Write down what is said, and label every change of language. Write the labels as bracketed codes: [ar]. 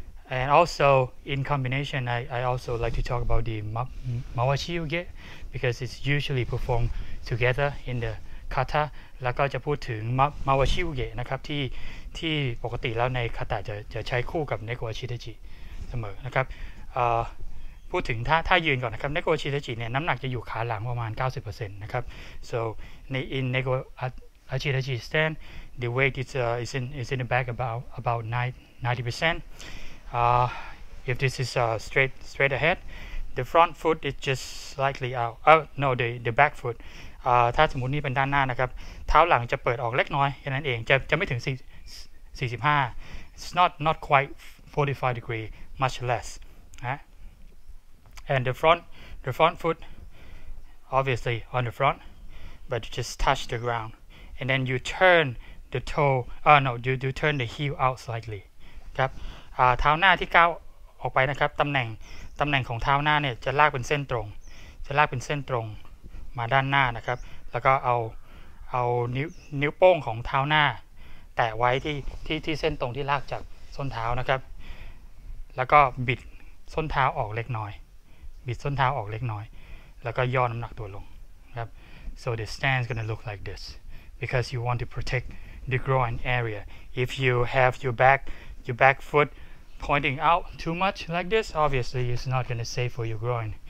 [en] And also in combination, I also like to talk about the Mawashi Uge because it's usually performed together in the kata. [th] แล้วก็จะพูดถึง Mawashi Uge นะครับที่ปกติแล้วในคาตะจะใช้คู่กับ Neko Ashidaji เสมอนะครับพูดถึงถ้ายืนก่อนนะครับ Neko Ashidaji เนี่ยน้ำหนักจะอยู่ขาหลังประมาณ 90% นะครับ [en] So in Neko Ashidaji stand the weight is in the back about 90%. If this is straight ahead, the front foot is just slightly out. The back foot. [th] ถ้าสมมุตินี่เป็นด้านหน้านะครับเท้าหลังจะเปิดออกเล็กน้อยแค่นั้นเองจะไม่ถึง45 [en] It's not quite 45 degree, much less. And the front foot, obviously on the front, but just touch the ground. And then you turn the toe, you turn the heel out slightly. [th] ครับเท้าหน้าที่ก้าวออกไปนะครับตำแหน่งของเท้าหน้าเนี่ยจะลากเป็นเส้น ตรงมาด้านหน้านะครับแล้วก็เอานิ้วโป้งของเท้าหน้าแตะไว้ที่เส้นตรงที่ลากจากส้นเท้านะครับแล้วก็บิดส้นเท้าออกเล็กน้อยแล้วก็ย่อน้ำหนักตัวลงครับ [en] so the stance gonna look like this because you want to protect the groin area if you have your back foot pointing out too much like this obviously it's not gonna save for your groin